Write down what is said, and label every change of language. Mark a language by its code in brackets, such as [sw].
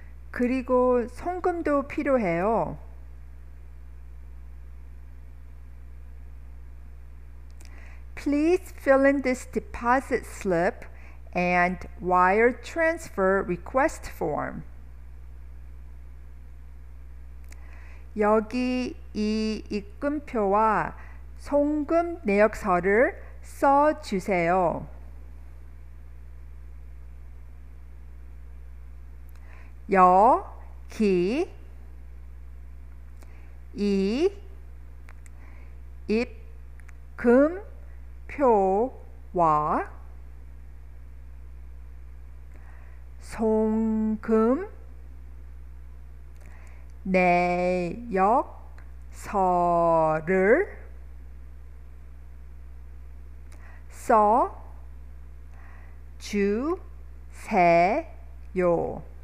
[ko] 그리고 송금도 필요해요. [en] Please fill in this deposit slip and wire transfer request form. [ko] 여기 이 입금표와 송금 내역서를 써주세요. 여기 이 입금표와 송금 내역서를 써 주세요.